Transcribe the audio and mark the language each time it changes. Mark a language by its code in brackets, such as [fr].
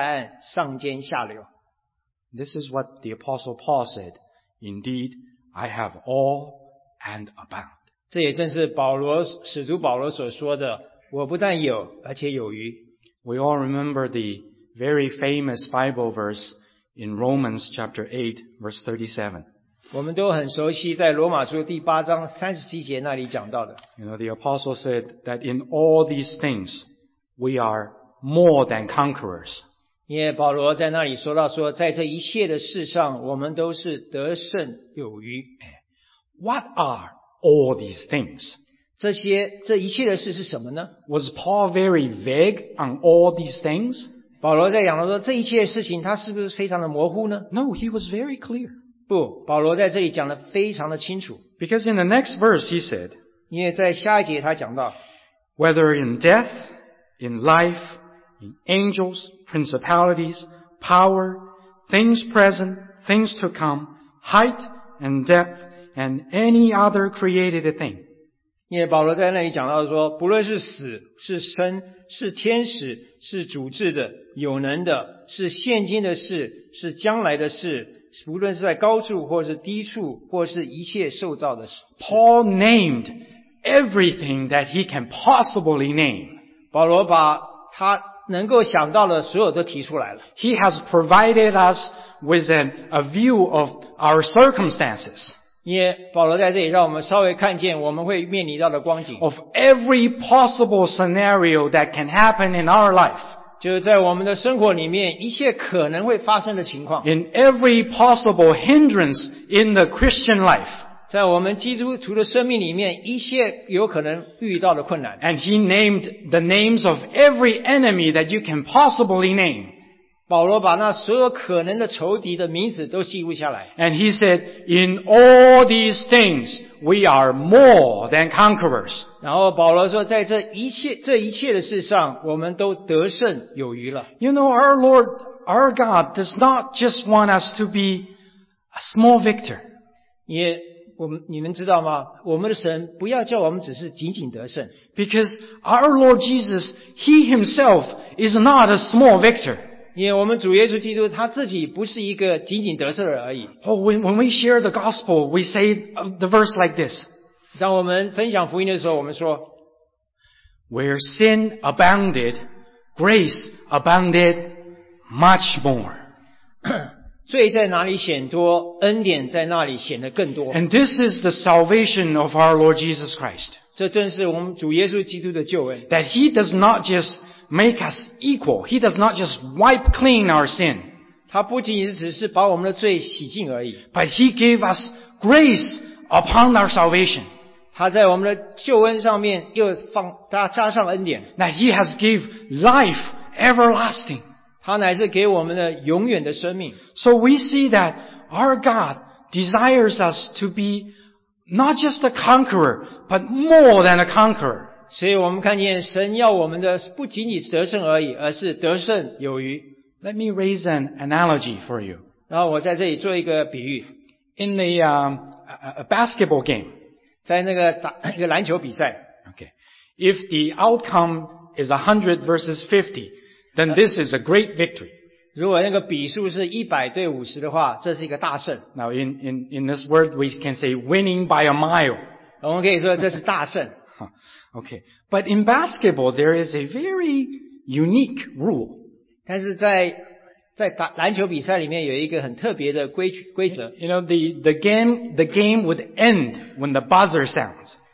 [zh] 然后在圣经上，我们看见主耶稣有这样说过：神给我们的就是连摇带按，上尖下流。 [en] This is what the Apostle Paul said, "Indeed, I have all and abound." [zh] 这也正是使徒保罗所说的。我不但有，而且有余。 [en] We all remember the very famous Bible verse in Romans chapter 8, verse 37. [zh] 我们都很熟悉在罗马书第8章37节那里讲到的。 [en] You know, the apostle said that in all these things, we are more than conquerors. [zh] 因为保罗在那里说到说，在这一切的事上，我们都是得胜有余。 [en] What are all these things? [zh] 这一切的事是什么呢？ [en] Was Paul very vague on all these things? [zh] 保罗在讲到说，这一切的事情他是不是非常的模糊呢？ [en] No, he was very clear. [zh] 不，保罗在这里讲得非常的清楚。 [en] Because in the next verse he said, [zh] 因为在下一节他讲到, [en] whether in death, in life, in angels, principalities, power, things present, things to come, height and depth, and any other created thing. [zh] 因为保罗在那里讲到说，不论是死，是生，是天使，是主治的，有能的，是现今的事，是将来的事，不论是在高处或是低处，或是一切受造的事。 [en] Paul named everything that he can possibly name. [zh] 保罗把他能够想到的所有都提出来了。 [en] He has provided us with a view of our circumstances. [zh] 因为保罗在这里让我们稍微看见我们会面临到的光景。 [en] Of every possible scenario that can happen in our life. [zh] 就是在我们的生活里面一切可能会发生的情况。 [en] In every possible hindrance in the Christian life. [zh] 在我们基督徒的生命里面一切有可能遇到的困难。 [en] And he named the names of every enemy that you can possibly name. [zh] 保罗把那所有可能的仇敌的名字都记录下来。 [en] And he said, in all these things, we are more than conquerors. [zh] 然后保罗说在这一切的事上我们都得胜有余了。 [en] You know, our Lord, our God does not just want us to be a small victor. [zh] 也你们知道吗？我们的神不要叫我们只是仅仅得胜。 [en] Because our Lord Jesus, He Himself is not a small victor. [zh] 因为我们主耶稣基督他自己不是一个仅仅得胜的而已。 [en] Oh, when we share the gospel, we say the verse like this. [zh] 当我们分享福音的时候，我们说 [en] ，Where sin abounded, grace abounded much more. [zh] 罪在哪里显多，恩典在那里显得更多。 [en] And this is the salvation of our Lord Jesus Christ. [zh] 这正是我们主耶稣基督的救恩。 [en] That He does not just make us equal. He does not just wipe clean our sin. [zh] 他不仅只是把我们的罪洗净而已。 [en] But He gave us grace upon our salvation. [zh] 他在我们的救恩上面又加上恩典。 [en] That He has given life everlasting. [zh] 他乃是给我们的永远的生命。 [en] So we see that our God desires us to be not just a conqueror, but more than a conqueror. [zh] 所以我们看见神要我们的不仅仅得胜而已，而是得胜有余。 [en] Let me raise an analogy for you. [zh] 然后我在这里做一个比喻。 [en] In a basketball game. [zh] 在那个一个篮球比赛。 [en] Okay. If the outcome is 100 versus 50,Then this is a great victory. [zh] 如果那个比数是100对50的话，这是一个大胜。 [en] Now in this word we can say winning by a mile. [zh] 我们可以说这是大胜。 [en] Okay. But in basketball there is a very unique rule. [zh] 但是在篮球比赛里面有一个很特别的规则。 [en] You know, the game would end when the buzzer sounds.